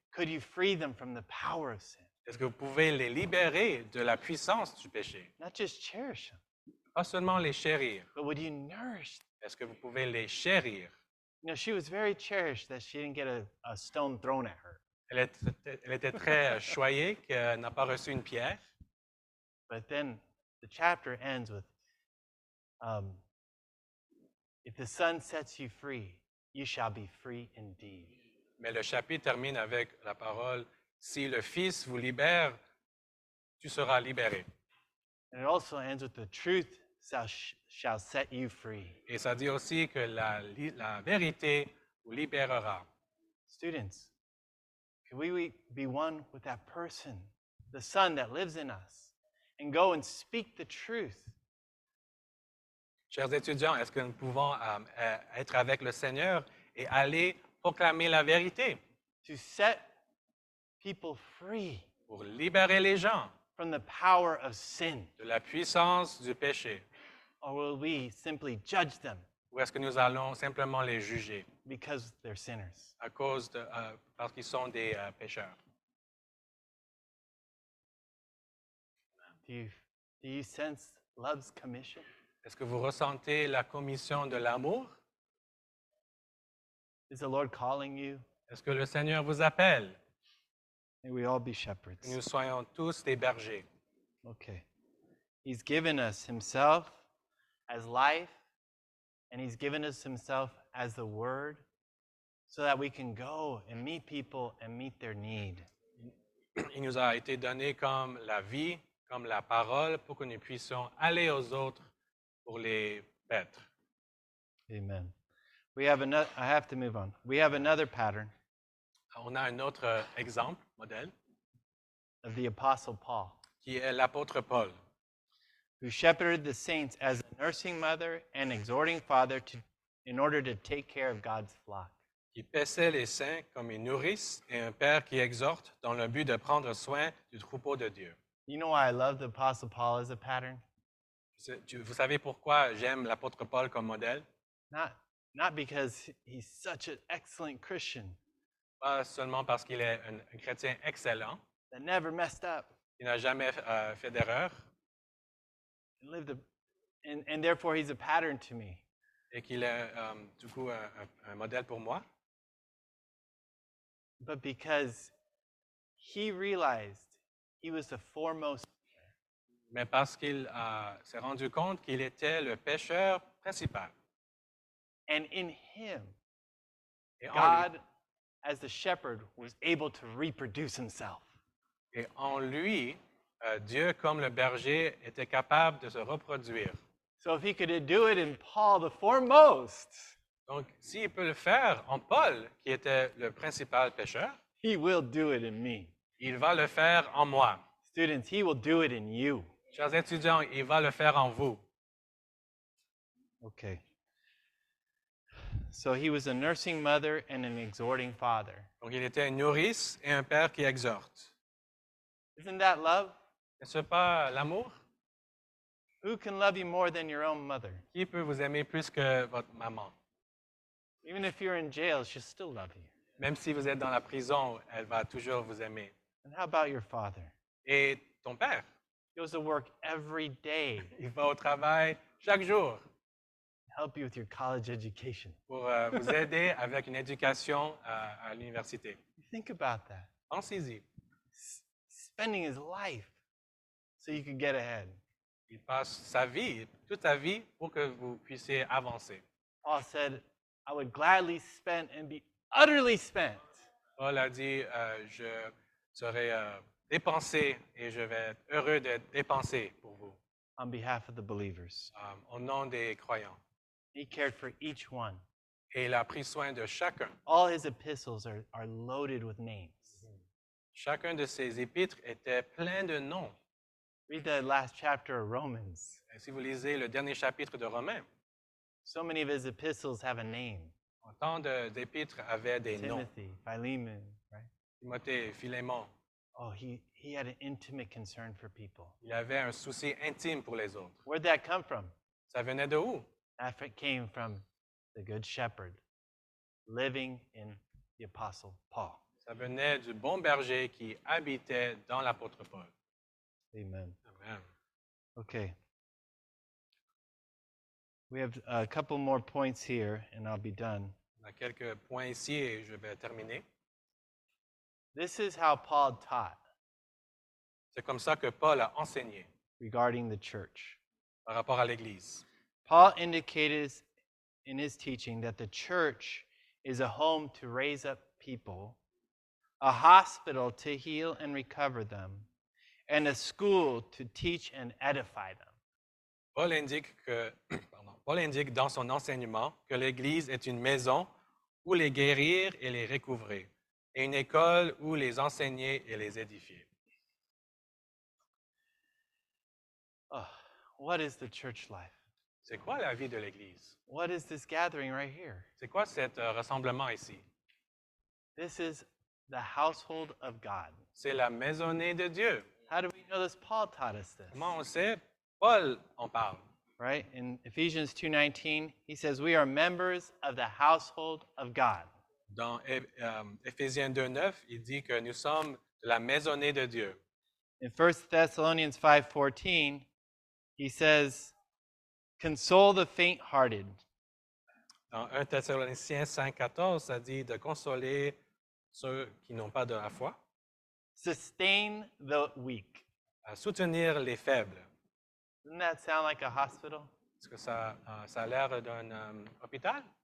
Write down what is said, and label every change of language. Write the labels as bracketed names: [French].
[English] could you free them from the power of sin? [French] Est-ce que vous pouvez les libérer de la puissance du péché? [English] Not just cherish them, [French] pas seulement les chérir, [English] but would you nourish them? [French] Est-ce que vous pouvez les chérir? [English] You know, she was very cherished that she didn't get a stone thrown at her. [French] Elle était très choyée qu'elle n'a pas reçu une pierre. [English] But then the chapter ends with, if the Son sets you free, you shall be free indeed. [French] Mais le chapitre termine avec la parole, si le Fils vous libère, tu seras libéré. [English] And it also ends with the truth shall set you free. [French] Et ça dit aussi que la vérité vous libérera. [English] Students, can we be one with that person, the Son that lives in us, and go and speak the truth? [French] Chers étudiants, est-ce que nous pouvons être avec le Seigneur et aller proclamer la vérité? [English] To set people free. [French] Pour libérer les gens. [English] From the power of sin. [French] De la puissance du péché. [English] Or will we simply judge them? [French] ou est-ce que nous allons simplement les juger? [English] Because they're sinners. [French] À cause de, parce qu'ils sont des pécheurs. [English] Do you sense love's commission? [French] Est-ce que vous ressentez la commission de l'amour? [English] Is the Lord calling you? [French] Est-ce que le Seigneur vous appelle? [English] May we all be shepherds. [French] Nous soyons tous des bergers. [English] Okay. He's given us himself as life, and he's given us himself as the word, so that we can go and meet people and meet their need. [French] Il nous a été donné comme la vie, comme la parole, pour que nous puissions aller aux autres pour les mettre. [English] Amen. I have to move on. We have another pattern. [French] On a un autre exemple, modèle. [English] Of the Apostle Paul. [French] Qui est l'apôtre Paul. [English] Who shepherded the saints as a nursing mother and exhorting father to, in order to take care of God's flock. [French] Qui paissait les saints comme une nourrice et un père qui exhorte dans le but de prendre soin du troupeau de Dieu. [English] You know why I love the Apostle Paul as a pattern? [French] Vous savez pourquoi j'aime l'apôtre Paul comme modèle? [English] Not because he's such an excellent Christian. [French] Pas seulement parce qu'il est un chrétien excellent. [English] That never messed up. [French] Il n'a jamais fait d'erreur. [English] And therefore he's a pattern to me. [French] Et qu'il est du coup un modèle pour moi. [English] But because he realized he was the foremost. [French] Mais parce qu'il s'est rendu compte qu'il était le pêcheur principal. [English] And in him, [French] et [English] God, [French] lui, [English] as the shepherd, was able to reproduce himself. [French] Et en lui, Dieu comme le berger était capable de se reproduire. [English] So if he could do it in Paul, the foremost. [French] Donc s'il peut le faire en Paul, qui était le principal pêcheur. [English] He will do it in me. [French] Il va le faire en moi. [English] Students, he will do it in you. [French] Chers étudiants, il va le faire en vous. [English] Okay. So he was a nursing mother and an exhorting father. [French] Donc il était une nourrice et un père qui exhorte. [English] Isn't that love? [French] N'est-ce pas l'amour? [English] Who can love you more than your own mother? [French] Qui peut vous aimer plus que votre maman? [English] Even if you're in jail, she'll still love you. [French] Même si vous êtes dans la prison, elle va toujours vous aimer. [English] And how about your father? [French] Et ton père? [English] He goes to work every day. [French] Il va au travail chaque jour. [English] Help you with your college education. [French] Pour vous aider avec une éducation à l'université. [English] Think about that. [French] Pensez-y. [English] Spending his life so you can get ahead. [French] Il passe sa vie, toute sa vie, pour que vous puissiez avancer. [English] Paul said, "I would gladly spend and be utterly spent." [French] Paul a dit, je serai dépensé et je vais être heureux d'être dépensé pour vous. [English] On behalf of the believers. [French] Au nom des croyants. [English] He cared for each one. [French] Et il a pris soin de chacun. [English] All his epistles are loaded with names. [French] Chacun de ses épîtres était plein de noms. [English] Read the last chapter of Romans. [French] Et si vous lisez le dernier chapitre de Romains. [English] So many of his epistles have a name. [French] Tant de épîtres avaient des [English] Timothy, [French] noms. [English] Timothy, Philemon. [French] Timothée, Philémon. [English] Oh, he had an intimate concern for people. [French] Il avait un souci intime pour les autres. [English] Where'd that come from? [French] Ça venait de où? [English] That came from the good shepherd living in the apostle Paul. [French] Ça venait du bon berger qui habitait dans l'apôtre Paul. [English] Amen. [French] Amen. [English] Okay. We have a couple more points here and I'll be done. [French] On a quelques points ici et je vais terminer. [English] This is how Paul taught. [French] C'est comme ça que Paul a enseigné. [English] Regarding the church. [French] Par rapport à l'église. [English] Paul indicated in his teaching that the church is a home to raise up people, a hospital to heal and recover them, and a school to teach and edify them. [French] Paul indique dans son enseignement que l'église est une maison où les guérir et les recouvrer. Et une école où les enseigner et les édifier. [English] Oh, what is the church life? [French] C'est quoi la vie de l'église? [English] What is this gathering right here? [French] C'est quoi cet rassemblement ici? [English] This is the household of God. [French] C'est la maisonnée de Dieu. [English] How do we know this? Paul taught us this. [French] Comment on sait? Paul en parle. [English] right? In Ephesians 2:19, he says we are members of the household of God. [French] Dans Ephésiens 2:9, il dit que nous sommes de la maisonnée de Dieu. [English] In 1 Thessalonians 5:14, he says, console the faint-hearted. [French] Dans 1 Thessaloniciens 5:14, ça dit de consoler ceux qui n'ont pas de la foi. [English] Sustain the weak. [French] À soutenir les faibles. [English] Doesn't that sound like a hospital? [French] Est-ce que ça, ça a l'air d'un hôpital?